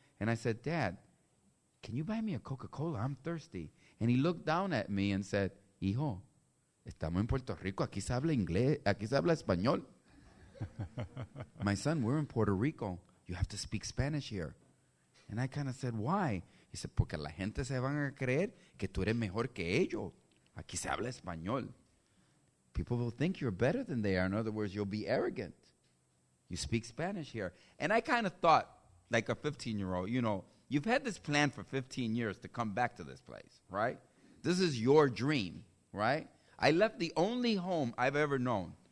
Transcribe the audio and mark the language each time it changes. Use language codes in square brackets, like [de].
[en] And I said, Dad, can you buy me a Coca-Cola? I'm thirsty. And he looked down at me and said, [es] Hijo, estamos en Puerto Rico. Aquí se habla inglés. Aquí se habla español. [en] My son, we're in Puerto Rico. You have to speak Spanish here. And I kind of said, why? He said, [es] porque la gente se van a creer que tú eres mejor que ellos. Aquí se habla español. [en] People will think you're better than they are. In other words, you'll be arrogant. You speak Spanish here. And I kind of thought, like a 15-year-old, you know, you've had this plan for 15 years to come back to this place, right? This is your dream, right? I left the only home I've ever known.